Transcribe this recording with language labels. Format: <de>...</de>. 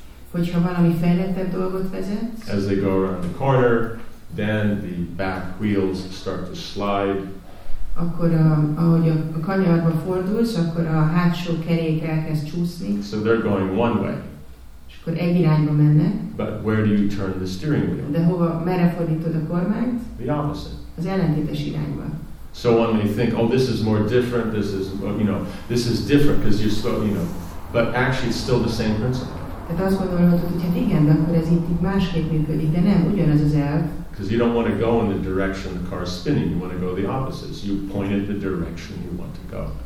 <hu>Hogyha valami fejlettebb dolgot vezet.</hu> <en>As they go around the corner, then the back wheels start to slide.</en> <hu>Akkor ahogy a kanyarba fordulsz, akkor a hátsó kerék elkezd csúszni.</hu> <en>So they're going one way.</en> <hu>És akkor egy irányba menne.</hu> <en>But where do you turn the steering wheel?</en> <hu>De hova, merre fordítod a kormányt?</hu> <en>The opposite.</en> <hu>Az ellentétes irányba.</hu> <en>So one may think, oh, this is more different, this is, you know, this is different because you're still, you know, but actually it's still the same principle.</en> <hu>Tehát azt gondolhatod, hogy hát igen, de akkor ez itt másképp működik, de nem, ugyanaz az elv.</hu> <en>Because you don't want to go in the direction the car is spinning, you want to go the opposite. So you point it the direction you want to go.</en>